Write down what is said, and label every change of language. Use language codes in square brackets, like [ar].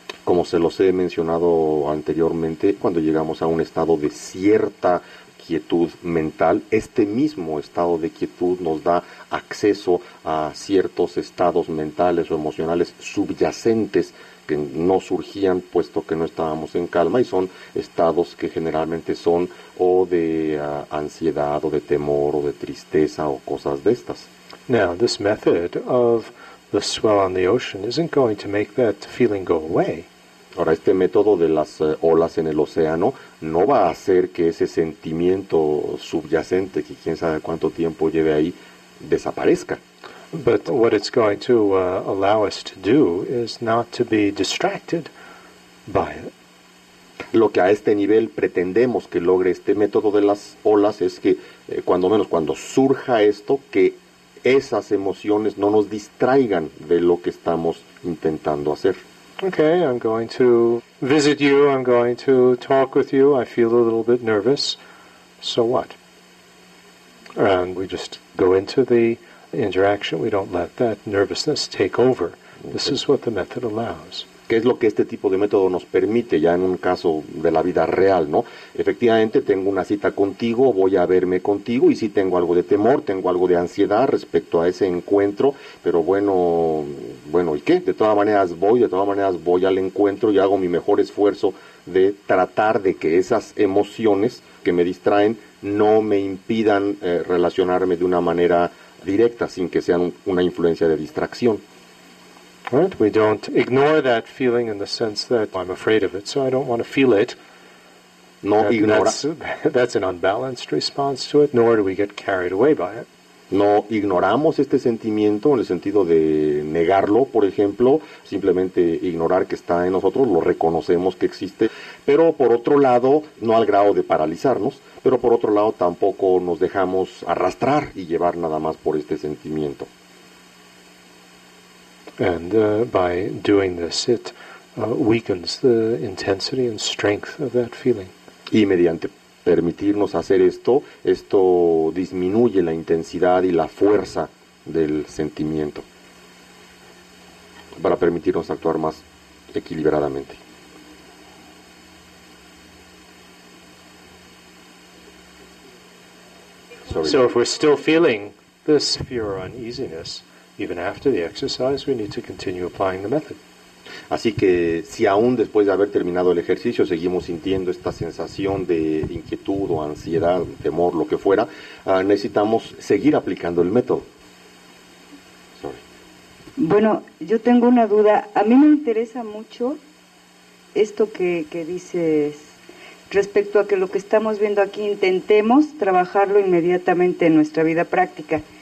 [es] Como se los he mencionado anteriormente, cuando llegamos a un estado de cierta quietud mental, este mismo estado de quietud nos da acceso a ciertos estados mentales o emocionales subyacentes que no surgían puesto que no estábamos en calma, y son estados que generalmente son o de ansiedad o de temor o de tristeza o cosas de estas. [en] Now, this method of the swell on the ocean isn't going to make that feeling go away. [es] Ahora, este método de las olas en el océano no va a hacer que ese sentimiento subyacente, que quién sabe cuánto tiempo lleve ahí, desaparezca. [en] But what it's going to allow us to do is not to be distracted by it. [es] Lo que a este nivel pretendemos que logre este método de las olas es que, cuando menos cuando surja esto, que esas emociones no nos distraigan de lo que estamos intentando hacer. [en] Okay, I'm going to visit you, I'm going to talk with you, I feel a little bit nervous. so what? And we just go into the interaction. We don't let that nervousness take over. This is what the method allows. [es] ¿Qué es lo que este tipo de método nos permite ya en un caso de la vida real, ¿no? Efectivamente, tengo una cita contigo, voy a verme contigo, y sí tengo algo de temor, tengo algo de ansiedad respecto a ese encuentro, pero bueno, ¿y qué? De todas maneras voy al encuentro y hago mi mejor esfuerzo de tratar de que esas emociones que me distraen no me impidan relacionarme de una manera directa, sin que sean una influencia de distracción. [en] Right? We don't ignore that feeling in the sense that I'm afraid of it, so I don't want to feel it. [es] No ignora. [en] That's an unbalanced response to it, nor do we get carried away by it. [es] No ignoramos este sentimiento en el sentido de negarlo, por ejemplo, simplemente ignorar que está en nosotros, lo reconocemos que existe, pero por otro lado, no al grado de paralizarnos, pero por otro lado tampoco nos dejamos arrastrar y llevar nada más por este sentimiento. [en] And by doing this, it weakens the intensity and strength of that feeling. [es] Y mediante permitirnos hacer esto, esto disminuye la intensidad y la fuerza del sentimiento para permitirnos actuar más equilibradamente. [en] So if we're still feeling this fear or uneasiness, even after the exercise, we need to continue applying the method. [es] Así que si aún después de haber terminado el ejercicio seguimos sintiendo esta sensación de inquietud o ansiedad, temor, lo que fuera, necesitamos seguir aplicando el método. [en] Sorry. [es] Bueno, yo tengo una duda. A mí me interesa mucho esto que dices respecto a que lo que estamos viendo aquí intentemos trabajarlo inmediatamente en nuestra vida práctica.